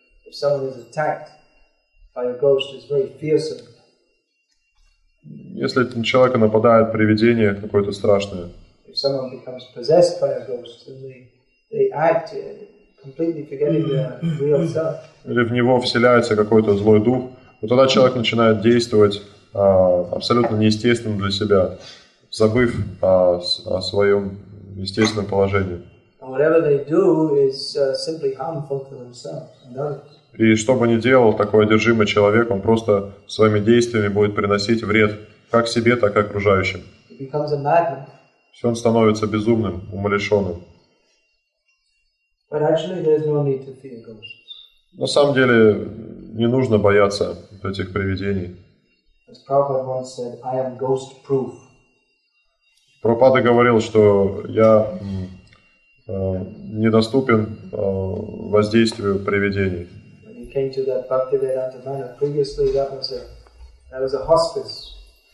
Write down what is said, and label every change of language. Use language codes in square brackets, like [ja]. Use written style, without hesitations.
[en] If someone is attacked by a ghost, it's very fearsome. [ru] Если на человека нападает привидение какое-то страшное. [en] If someone becomes possessed by a ghost, then they act completely forgetting their real self. [ru] Или в него вселяется какой-то злой дух, но тогда человек начинает действовать абсолютно неестественно для себя, забыв о своем естественном положении. [en] And whatever they do is simply harmful to themselves and others. [ru] И что бы ни делал такой одержимый человек, он просто своими действиями будет приносить вред как себе, так и окружающим. [en] He becomes a madman. [ru] Все он становится безумным, умалишенным. [en] But actually, there's no need to fear ghosts. [ru] На самом деле не нужно бояться этих привидений. [en] As Prabhupada once said, I am ghost proof. [ru] Прабхупада говорил, что я недоступен воздействию привидений. [en] came to that Bhaktivedanta Manor. Previously, that was a hospice.